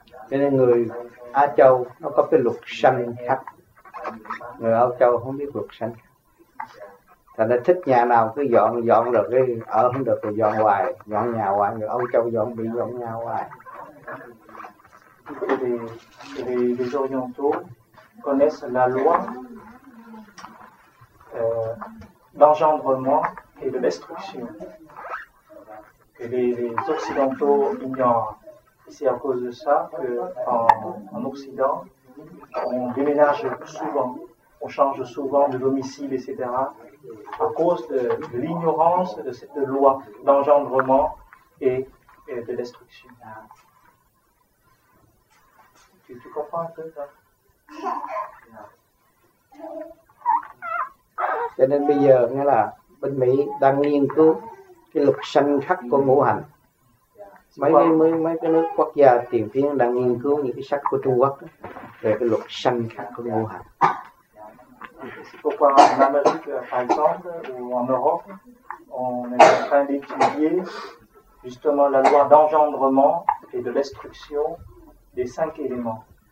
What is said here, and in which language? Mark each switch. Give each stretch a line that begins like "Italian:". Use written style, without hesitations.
Vietnamese: Cho nên người Á Châu nó có cái luật sanh khắc, người Âu Châu không biết luật sanh khắc. Thành ra thích nhà nào cứ dọn, dọn được cái ở không được thì dọn hoài, dọn nhà hoài, người Âu Châu dọn bị dọn nhà hoài.
French: Les orientaux connaissent la loi l'engendrement et la destruction. Que les Occidentaux ignorent. Et c'est à cause de ça qu'en Occident, on déménage souvent, on change souvent de domicile, etc. À cause de l'ignorance de cette loi d'engendrement et de destruction. Tu comprends un peu, toi?
Vietnamese: Cho nên bây giờ nghĩa là bên Mỹ đang nghiên cứu cái luật sanh khắc của ngũ hành. Mấy cái nước quốc gia tiền tiến đang nghiên cứu những cái sách của Trung Quốc về cái luật sanh khắc của ngũ hành.
French: C'est pourquoi en Amérique, par exemple, ou en Europe, on est en train d'étudier justement la loi d'engendrement et de destruction des cinq éléments.